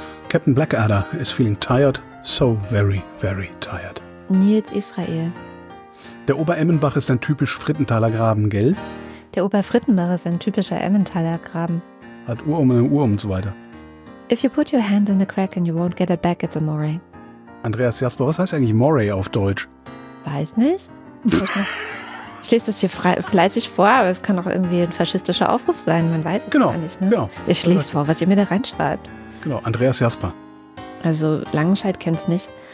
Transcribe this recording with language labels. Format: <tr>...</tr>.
<en>Captain Blackadder is feeling tired. So very, very tired.</en> <de>Nils Israel. Der Oberemmenbach ist ein typisch Frittenthaler Graben, gell? Der Oberfrittenbach ist ein typischer Emmenthaler Graben. Hat Urum und so weiter.</de> <en>If you put your hand in the crack and you won't get it back, it's a moray.</en> <de>Andreas Jasper, was heißt eigentlich moray auf Deutsch? Weiß nicht. Ich lese es hier fleißig vor, aber es kann auch irgendwie ein faschistischer Aufruf sein. Man weiß es genau, gar nicht, ne? Genau. Ich lese vor, was ihr mir da reinschreibt. Genau, Andreas Jasper. Also Langenscheid kennt's nicht.</de>